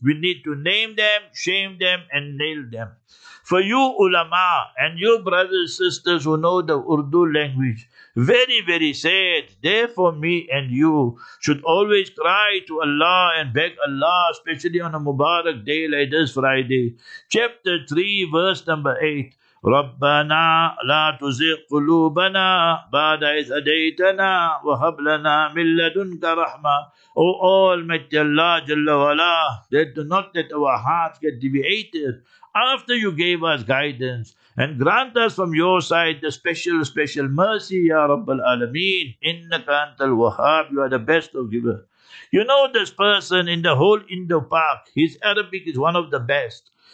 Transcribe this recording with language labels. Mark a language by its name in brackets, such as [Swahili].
[English] We need to name them, shame them, and nail them. For you ulama and you brothers and sisters who know the Urdu language, very, very sad. Therefore, me and you should always cry to Allah and beg Allah, especially on a Mubarak day like this Friday. Chapter 3, verse number 8. [Arabic] ربنا لا تزغ قلوبنا بعد إذ هديتنا وهب لنا من لدنك رحمة. [English] O Almighty Allah Jalla Wala, that not let our hearts get deviated after you gave us guidance, and grant us from your side the special mercy, [Arabic] Ya Rabbal Alameen. Innaka Antal Wahhab, [English] you are the best of giver. You know this person in the whole Indo-Pak, his Arabic is one of the best.